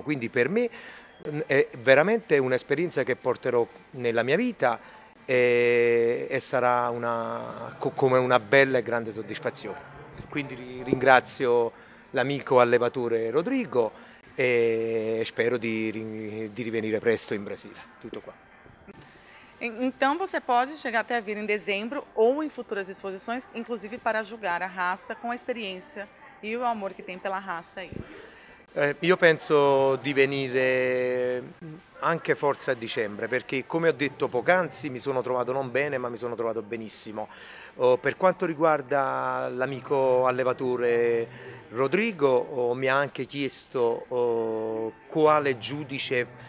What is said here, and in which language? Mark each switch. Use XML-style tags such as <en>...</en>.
<it>Quindi per me è veramente un'esperienza che porterò nella mia vita e sarà come una bella e grande soddisfazione. Quindi ringrazio l'amico allevatore Rodrigo e spero di rivenire presto in Brasile. Tutto qua.</it> <pt>Então você pode chegar até a vir em dezembro ou em futuras exposições, inclusive para julgar a raça com a experiência e o amor que tem pela raça aí.</pt> <it>Io penso di venire anche forse a dicembre, perché come ho detto poc'anzi mi sono trovato non bene, ma mi sono trovato benissimo. Per quanto riguarda l'amico allevatore Rodrigo, mi ha anche chiesto quale giudice</it>